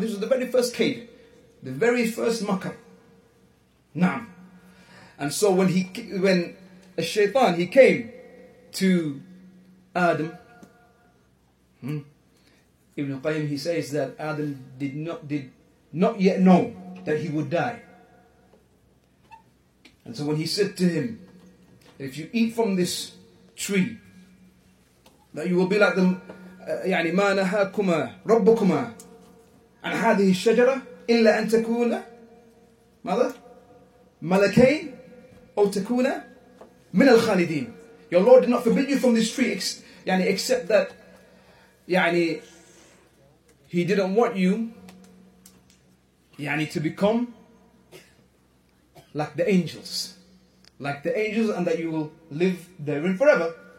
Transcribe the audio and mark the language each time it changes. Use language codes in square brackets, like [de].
[en] This is the very first kaid. The very first makar. Na'am. And so when a shaitan came to Adam, Ibn Qayyim, he says that Adam did not yet know that he would die. And so when he said to him, if you eat from this tree, that you will be like them, [ar] يعني ما نهاكما ربكما عن هذه الشجرة إلا أن تكون ماذا ملكين أو تكون من الخالدين. [en] Your Lord did not forbid you from this tree, except that, He didn't want you, to become like the angels, and that you will live therein forever.